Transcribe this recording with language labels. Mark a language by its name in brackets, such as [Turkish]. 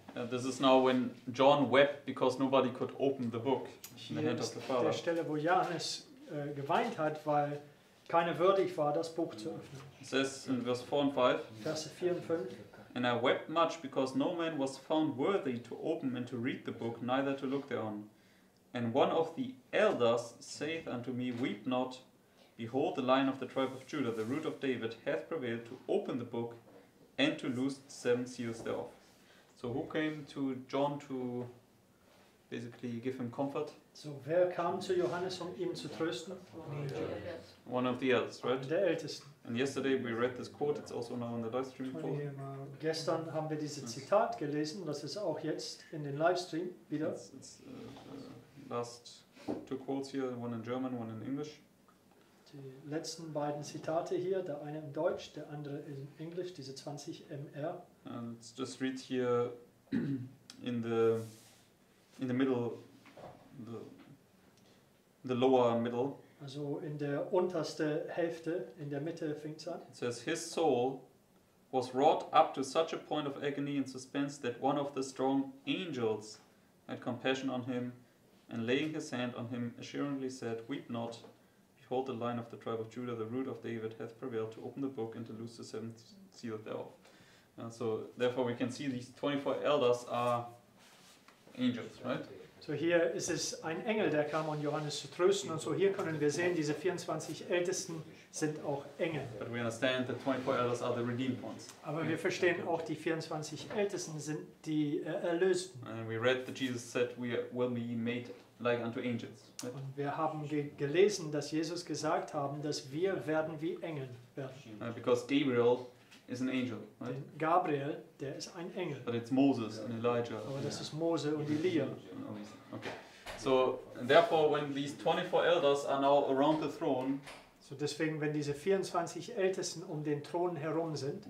[English] This is now when John wept because nobody could open the book in the hand of the Father. [German] Der Stelle, wo Johannes geweint hat, weil keiner würdig war, das Buch zu öffnen. [English] It says in verse 4 and 5. [German] Verse 4 und 5. [English] And I wept much because no man was found worthy to open and to read the book, neither to look thereon. And one of the elders saith unto me, weep not. Behold, the Lion of the tribe of Judah, the Root of David, hath prevailed to open the book and to loose the seven seals thereof. So who came to John to basically give him comfort? [German] So wer kam zu Johannes, um ihm zu trösten? [English] One of the elders, right? [German] Der Ältesten. [English] And yesterday we read this quote, it's also now in the live stream. [German] Gestern haben wir dieses Zitat gelesen, das ist auch jetzt in den Livestream wieder. [English] It's last two quotes here, one in German, one in English. [German] Die letzten beiden Zitate hier, der eine in Deutsch, der andere in Englisch, diese 20 MR. [English] Let's just read here in the middle, the lower middle. [German] Also in der unterste Hälfte, in der Mitte fängt es an. [English] It says, his soul was wrought up to such a point of agony and suspense that one of the strong angels had compassion on him and laying his hand on him assuringly said, weep not. Behold, the Lion of the tribe of Judah, the Root of David, hath prevailed to open the book and to loose the seventh seal thereof. And so, therefore, we can see these 24 elders are angels, right? [German] So hier ist es ein Engel, der kam, um Johannes zu trösten. Und so hier können wir sehen, diese 24 Ältesten sind auch Engel. [English] But we understand that 24 elders are the redeemed ones. [German] Aber wir verstehen auch, die 24 Ältesten sind die Erlösten. [English] And we read that Jesus said, we will be made like unto angels. [German] Und wir haben gelesen, dass Jesus gesagt haben, dass wir werden wie Engel werden. [English] Because Gabriel is an angel, right? [German] Gabriel, der ist ein Engel. [English] But it's Moses and Elijah. [German] Aber das ist Mose und Elia. [English] Okay. So therefore, when these 24 elders are now around the throne. [German] So deswegen, wenn diese 24 Ältesten um den Thron herum sind.